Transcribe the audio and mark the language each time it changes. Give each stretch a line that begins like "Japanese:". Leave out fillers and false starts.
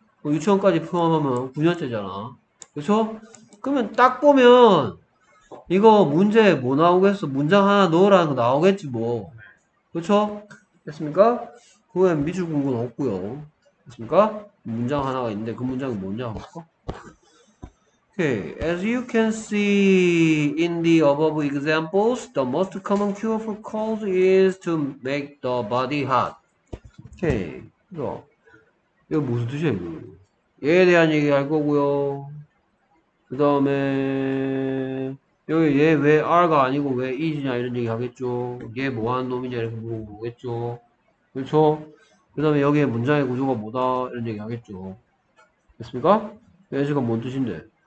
Korean: 뭐 유치원까지 포함하면 9년째잖아. 그쵸? 그러면 딱 보면 이거 문제 뭐 나오겠어? 문장 하나 넣으라는 거 나오겠지 뭐. 그쵸? 됐습니까? 그 외에 미술 공부는 없고요. 됐습니까? 문장 하나가 있는데 그 문장이 뭐냐고 할까?
English: Okay. As you can see in the above examples, the most common cure for colds is to make the body hot.
Korean: Okay. 이거 무슨 뜻이야, 이거? 얘에 대한 얘기 할 거고요. 그 다음에, 여기 얘 왜 R가 아니고 왜 E지냐 이런 얘기 하겠죠. 얘 뭐 하는 놈이냐 이렇게 물어보겠죠. 그렇죠? 그 다음에 여기에 문장의 구조가 뭐다 이런 얘기 하겠죠. 됐습니까? 얘가 뭔 뜻인데?